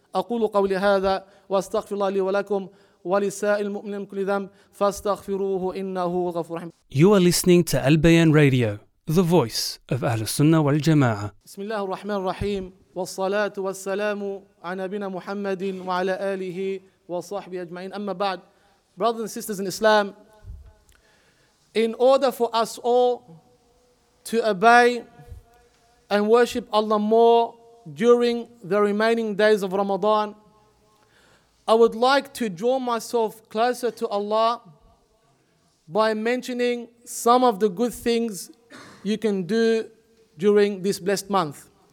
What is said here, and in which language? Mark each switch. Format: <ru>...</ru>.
<ar>أقول قولي هذا وأستغفر الله لي ولكم ولسائر المؤمنين كل ذنب، فاستغفروه إنه غفور رحيم.</ar> <en>You are listening to Al-Bayan Radio, the voice of</en> <ar>أهل السنة والجماعة. بسم الله الرحمن الرحيم، والصلاة والسلام على نبينا محمد وعلى آله وصحبه أجمعين. أما بعد،</ar> <en>brothers and sisters in Islam, in order for us all to obey and worship Allah more during the remaining days of Ramadan, I would like to draw myself closer to Allah by mentioning some of the good things you can do during this blessed month.</en>